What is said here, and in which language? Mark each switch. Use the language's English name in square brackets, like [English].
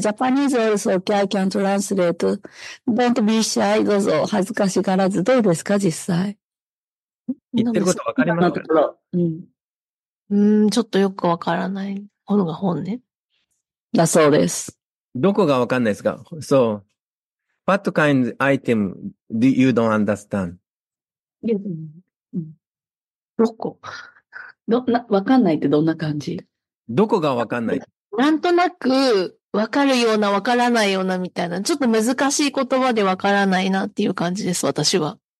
[English] Japanese also, okay, I can translate. Don't be shy, [Japanese] どうぞ、恥ずかしがらず、どうですか、実際。言ってること分かりますか？ちょっとよく分からない。本が本ね。だそうです。どこが分かんないですか？ [English] So, what kind of item do you don't understand? [Japanese] どこ？わかんないってどんな感じ？どこがわかんない？なんとなくわかるようなわからないようなみたいな、ちょっと難しい言葉でわからないなっていう感じです、私は。